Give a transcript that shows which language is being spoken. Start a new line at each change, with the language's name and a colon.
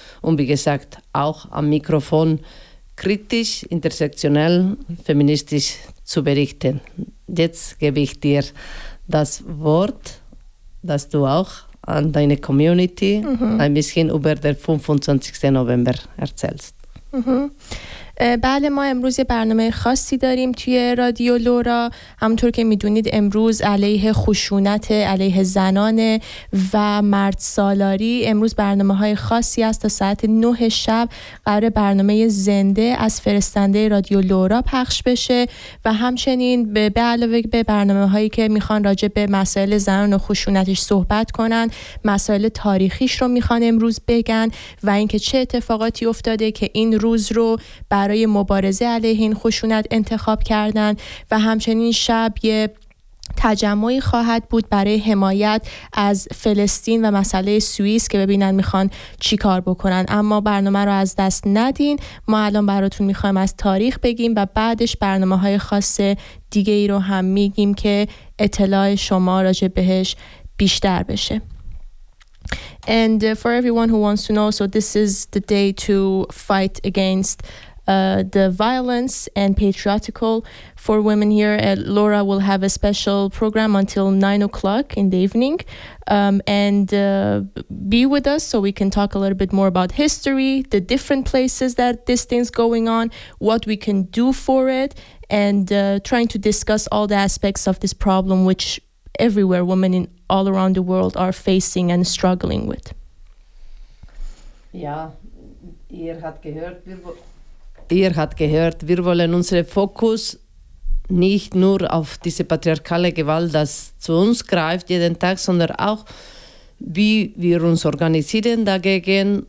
German: Und wie gesagt, auch am Mikrofon kritisch, intersektionell, feministisch zu berichten. Jetzt gebe ich dir das Wort, dass du auch an deine Community ein bisschen über den 25. November erzählst.
Persian: بله، ما امروز یه برنامه خاصی داریم توی رادیو لورا. همونطور که میدونید امروز علیه خشونت، علیه زنان و مرد سالاری، امروز برنامه های خاصی است. تا ساعت 9 شب قرار برنامه زنده از فرستنده رادیو لورا پخش بشه و همچنین به علاوه به برنامه هایی که میخوان راجع به مسائل زنان و خشونتش صحبت کنن، مسائل تاریخیش رو میخوان امروز بگن و اینکه چه اتفاقاتی افتاده که این روز رو برای مبارزه علیه این خشونت انتخاب کردن، و همچنین شب یه تجمعی خواهد بود برای حمایت از فلسطین و مسئله سوئیس که ببینن میخوان چی کار بکنن. اما برنامه رو از دست ندین، ما الان براتون میخوایم از تاریخ بگیم و بعدش برنامه های خاص دیگه ای رو هم میگیم که اطلاع شما راجع بهش بیشتر بشه.
English: And for everyone who wants to know, so this is the day to fight against the violence and patriotical for women here at Lura. Will have a special program until 9 o'clock in the evening, and be with us so we can talk a little bit more about history, the different places that this thing's going on, what we can do for it, and trying to discuss all the aspects of this problem which everywhere women in all around the world are facing and struggling with.
German: Yeah, ihr habt gehört, wir wollen unseren Fokus nicht nur auf diese patriarchale Gewalt, das zu uns greift jeden Tag, sondern auch, wie wir uns organisieren dagegen.